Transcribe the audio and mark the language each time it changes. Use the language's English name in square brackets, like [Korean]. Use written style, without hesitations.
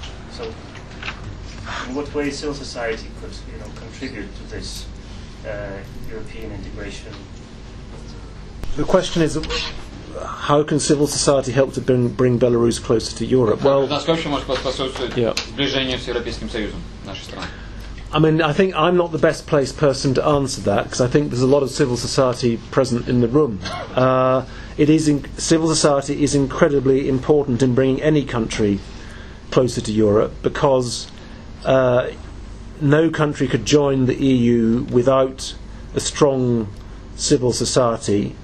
[English] So, in what way civil society could, you know, contribute to this European integration? The question is, how can civil society help to bring Belarus closer to Europe? [Russian] Well, насколько может способствовать сближению с Европейским Союзом нашей страны? [English] I mean, I think I'm not the best placed person to answer that because I think there's a lot of civil society present in the room. Civil society is incredibly important in bringing any country closer to Europe because no country could join the EU without a strong civil society.